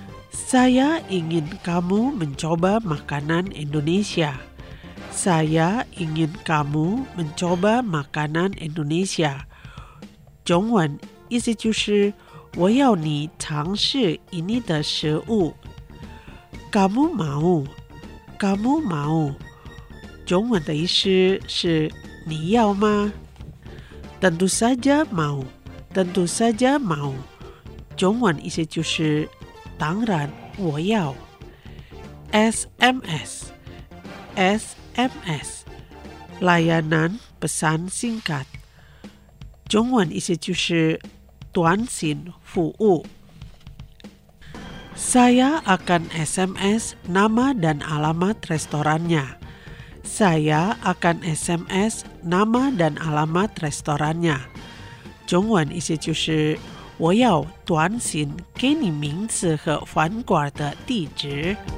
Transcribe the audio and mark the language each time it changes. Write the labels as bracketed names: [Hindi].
[Indonesian] Saya ingin kamu mencoba makanan Indonesia. Saya ingin kamu mencoba makanan Indonesia. [Chinese] 中文意思就是我要你尝试印尼的食物。 [Indonesian] Kamu mau, kamu mau, [Chinese] 中文的意思是你要吗？ [Indonesian] Tentu saja mau, tentu saja mau, [Chinese] 中文意思就是当然我要。 [Indonesian] SMS, SMS, layanan pesan singkat, [Chinese] 中文意思就是短信服务。 [Indonesian] Saya akan SMS nama dan alamat restorannya. Saya akan SMS nama dan alamat restorannya. [Chinese] 中文意思就是我要短信给你名字和饭馆的地址。